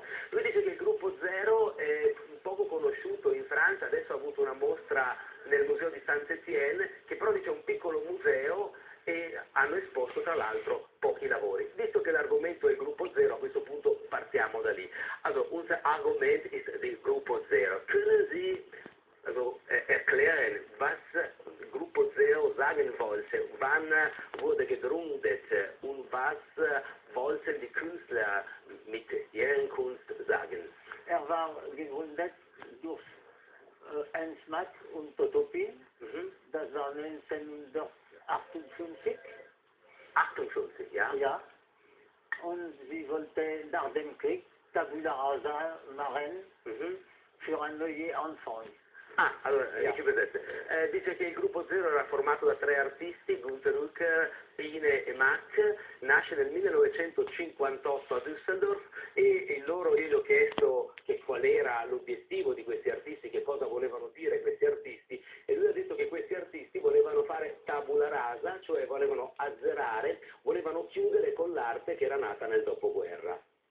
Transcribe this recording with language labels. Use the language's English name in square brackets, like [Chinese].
[Italian] Lui dice che il gruppo Zero è poco conosciuto in Francia, adesso ha avuto una mostra nel museo di Saint-Étienne, che però dice è un piccolo museo e hanno esposto tra l'altro pochi lavori. Visto che l'argomento è il gruppo Zero, a questo punto partiamo da lì. [German] Allora, unser Argument ist il gruppo Zero. Können Sie also, erklären, was il gruppo Zero sagen wollte? Wann wurde gegründet und was wollten die Künstler mit ihren Kunst sagen? Er war gegründet durch Hans Matt und Toto Pin. Das war 1958. 58, ja. Ja. Und sie wollte nach dem Krieg Tabula Rasa machen für einen neuen Anfang. [Italian] Ah, allora, yeah. Che vedete? Dice che il gruppo Zero era formato da tre artisti, Gunther Rücker, Pine e Mack, nasce nel 1958 a Düsseldorf e il loro, io gli ho chiesto che qual era l'obiettivo di questi artisti, che cosa volevano dire questi artisti, e lui ha detto che questi artisti volevano fare tabula rasa, cioè volevano azzerare, volevano chiudere con l'arte che era nata nel dopoguerra.